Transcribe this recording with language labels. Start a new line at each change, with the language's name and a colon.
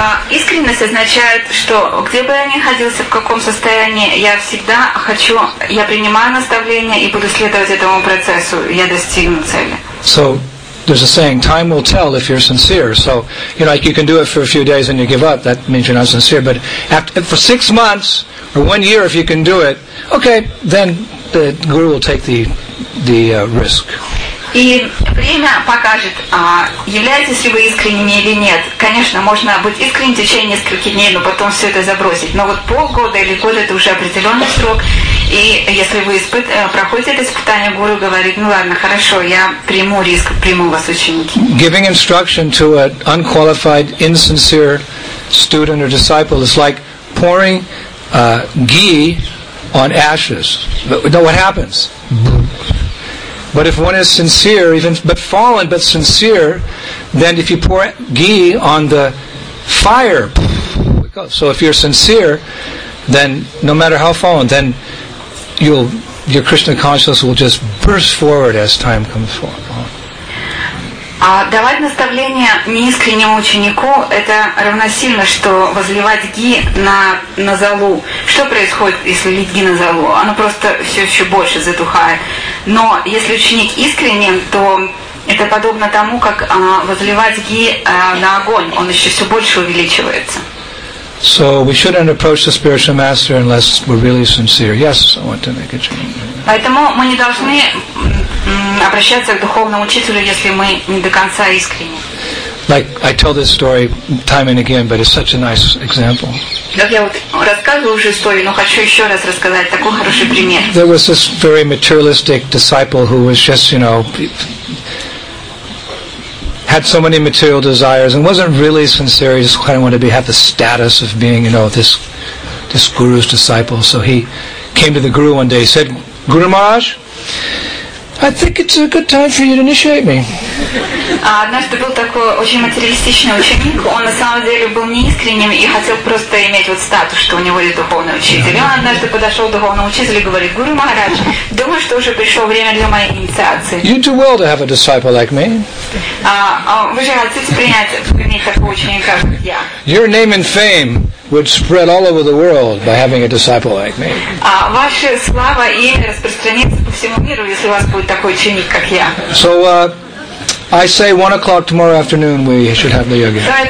Russian: Искренность означает, что где бы я ни находился, в каком состоянии, я всегда хочу, я принимаю наставления и буду следовать этому процессу, я достигну цели.
English: So, there's a saying, time will tell if you're sincere. So, you know, like you can do it for a few days and you give up, that means you're not sincere. But for 6 months or 1 year, if you can do it, okay, then the guru will take the risk.
Russian: И время покажет, являетесь ли вы искренними или нет. Конечно, можно быть искренним в течение нескольких дней, но потом все это забросить. Но вот полгода или год — это уже определенный срок. И если вы проходите испытание, гуру говорит, ну ладно, хорошо, я приму риск, приму вас ученики.
English: Giving instruction to an unqualified, insincere student or disciple is like pouring ghee on ashes. No, what happens? But if one is sincere, even but fallen but sincere, then if you pour ghee on the fire, it goes. So if you're sincere, then no matter how fallen, then your Krishna consciousness will just burst forward as time comes forward.
Russian: Давать наставление неискреннему ученику – это равносильно, что возливать ги на золу. Что происходит, если лить ги на золу? Оно просто все еще больше затухает. Но если ученик искренен, то это подобно тому, как возливать ги на огонь. Он еще все больше увеличивается.
English: So we shouldn't approach the spiritual master unless we're really sincere. Yes, I want to make a change.
Russian: Поэтому мы не должны обращаться к духовному учителю, если мы не до конца искренни.
English: Like I tell this story time and again, but it's such a nice example.
Russian: Как я вот рассказываю уже историю, но хочу еще раз рассказать такой хороший пример.
English: There was this very materialistic disciple who was just, you know, had so many material desires and wasn't really sincere. He just kind of wanted to have the status of being, you know, this his guru's disciple. So he came to the guru one day, said, "Guru Maharaj, I think it's a good time for you to initiate me."
Russian: Однажды был такой очень материалистичный ученик. Он на самом деле был неискренним и хотел просто иметь вот статус, что у него есть духовный учитель. Он однажды подошел к духовному учителю и говорит: "Гуру Махарадж, думаю, что уже пришло время для моей инициации."
English: "You do well to have a disciple like me."
Russian: Вы же хотите принять в мире такого ученика, как я.
English: "Your name and fame would spread all over the world by having a disciple like me."
Russian: Ваша слава и имя распространится по всему миру, если у вас будет такой ученик, как я.
English: So, I say 1 o'clock tomorrow afternoon we should have the yoga.